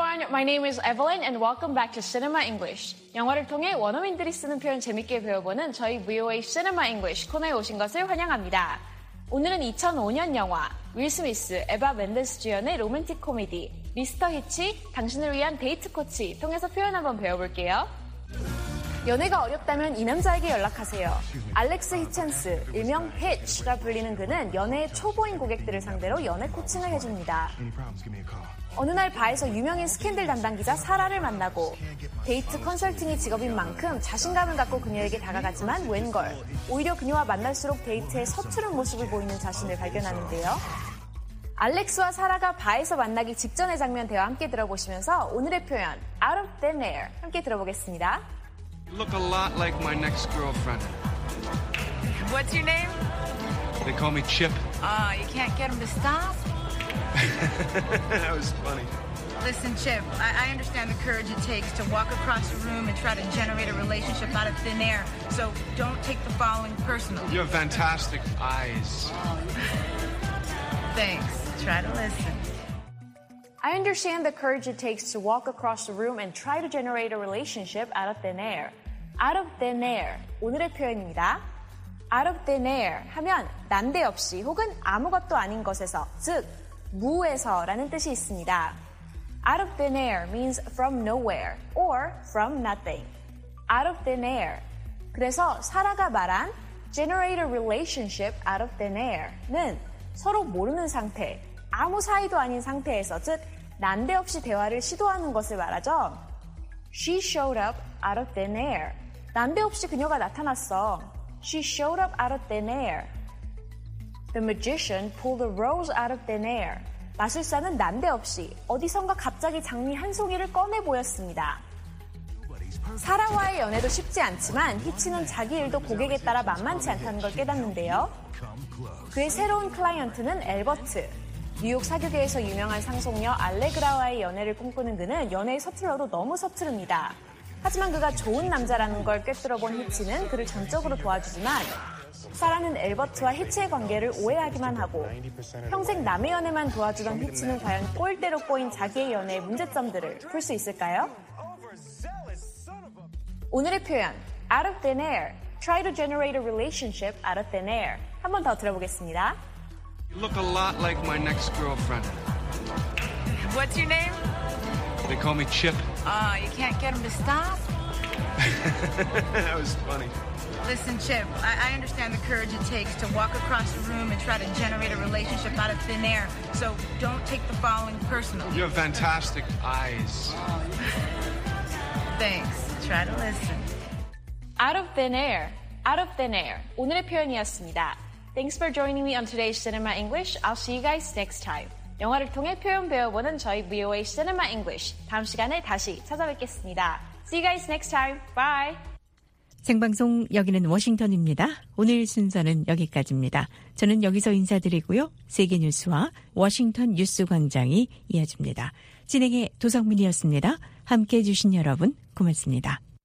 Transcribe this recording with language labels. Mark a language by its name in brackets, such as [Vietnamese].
[English] My name is Evelyn and welcome back to Cinema English. [Korean] 영화를 통해 원어민들이 쓰는 표현 재밌게 배워보는 저희 VOA Cinema English 코너에 오신 것을 환영합니다. 오늘은 2005년 영화 윌 스미스, 에바 멘데스 주연의 로맨틱 코미디 미스터 히치, 당신을 위한 데이트 코치 통해서 표현 한번 배워볼게요. 연애가 어렵다면 이 남자에게 연락하세요. 알렉스 히첸스, 일명 히치가 불리는 그는 연애의 초보인 고객들을 상대로 연애 코칭을 해줍니다. 어느 날 바에서 유명인 스캔들 담당 기자 사라를 만나고 데이트 컨설팅이 직업인 만큼 자신감을 갖고 그녀에게 다가가지만 웬걸 오히려 그녀와 만날수록 데이트에 서투른 모습을 보이는 자신을 발견하는데요. 알렉스와 사라가 바에서 만나기 직전의 장면 대화 함께 들어보시면서 오늘의 표현 out of thin air 함께 들어보겠습니다. [English] Look a lot like my next girlfriend. What's your name? They call me Chip. You can't get them to stop? That was funny. Listen, Chip, I understand the courage it takes to walk across a room and try to generate a relationship out of thin air. So don't take the following personally. You have fantastic eyes. Thanks. Try to listen. I understand the courage it takes to walk across the room and try to generate a relationship out of thin air. Out of thin air. 오늘의 표현입니다. [Korean] Out of thin air 하면 난데없이 혹은 아무것도 아닌 것에서, 즉 무에서라는 뜻이 있습니다. [English] Out of thin air means from nowhere or from nothing. Out of thin air. [Korean] 그래서 사라가 말한 generate a relationship out of thin air 는 서로 모르는 상태, 아무 사이도 아닌 상태에서, 즉 난데없이 대화를 시도하는 것을 말하죠. [English] She showed up out of thin air. [Korean] 난데없이 그녀가 나타났어. [English] She showed up out of thin air. The magician pulled a rose out of thin air. [Korean] 마술사는 난데없이 어디선가 갑자기 장미 한 송이를 꺼내 보였습니다. 사라와의 연애도 쉽지 않지만 히치는 자기 일도 고객에 따라 만만치 않다는 걸 깨닫는데요. 그의 새로운 클라이언트는 엘버트. 뉴욕 사교계에서 유명한 상속녀 알레그라와의 연애를 꿈꾸는 그는 연애의 서툴러도 너무 서투릅니다. 하지만 그가 좋은 남자라는 걸 꿰뚫어본 히치는 그를 전적으로 도와주지만 사라는 엘버트와 히치의 관계를 오해하기만 하고 평생 남의 연애만 도와주던 히치는 과연 꼴대로 꼬인 자기의 연애의 문제점들을 풀 수 있을까요? 오늘의 표현 out of thin air try to generate a relationship out of thin air 한 번 더 들어보겠습니다. [English] You look a lot like my next girlfriend. What's your name? They call me Chip. You can't get them to stop? That was funny. Listen, Chip, I understand the courage it takes to walk across the room and try to generate a relationship out of thin air. So don't take the following personally. You have fantastic eyes. Thanks. Try to listen. Out of thin air. Out of thin air. [Korean] 오늘의 표현이었습니다. [English] Thanks for joining me on today's Cinema English. I'll see you guys next time. [Korean] 영화를 통해 표현 배워보는 저희 VOA Cinema English. 다음 시간에 다시 찾아뵙겠습니다. [English] See you guys next time. Bye. [Korean] 생방송 여기는 워싱턴입니다. 오늘 순서는 여기까지입니다. 저는 여기서 인사드리고요. 세계뉴스와 워싱턴 뉴스광장이 이어집니다. 진행의 도성민이었습니다. 함께해 주신 여러분 고맙습니다.